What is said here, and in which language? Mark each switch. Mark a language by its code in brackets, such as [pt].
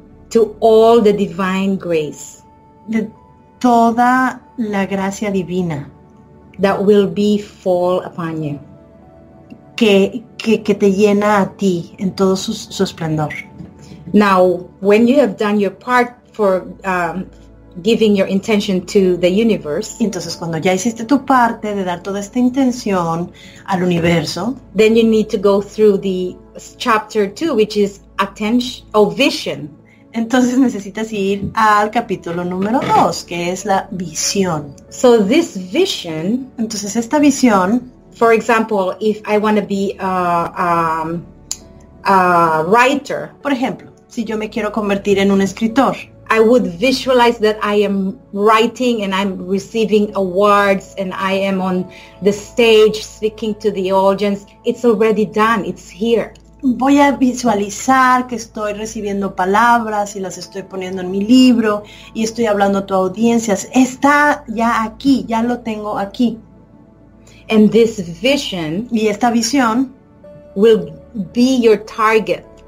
[en] to all the divine grace, [es] de toda la gracia divina, [en] that will be fall upon you, [es] que te llena a ti en todo su esplendor. [en] Now, when you have done your part for giving your intention to the universe, [es] entonces cuando ya hiciste tu parte de dar toda esta intención al universo, [en] then you need to go through the chapter 2, which is attention or vision. [es] Entonces necesitas ir al capítulo número 2, que es la visión. [en] So this vision, [es] entonces esta visión, [en] for example, if I want to be writer, [es] por ejemplo, si yo me quiero convertir en un escritor, [en] I would visualize that I am writing and I'm receiving awards and I am on the stage speaking to the audience. It's already done. It's here. [es] voy a visualizar que estoy recibiendo palabras y las estoy poniendo en mi libro y estoy hablando a tu audiencia. Está ya aquí, ya lo tengo aquí. [en] And this vision, [es] y esta visión, [en] will be your target.